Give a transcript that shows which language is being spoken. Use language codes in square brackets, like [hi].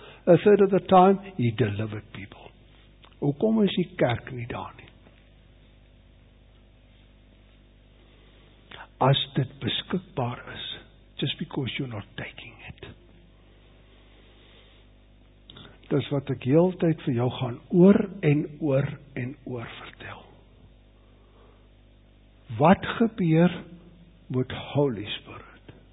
[en] A third of the time, he delivered people. [af] Hoekom is die kerk nie daar nie? As dit beskikbaar is, [en] just because you're not taking it. [af] Dis wat ek heel tyd vir jou gaan oor en oor en oor vertel. Wat gebeur met Holy Spirit?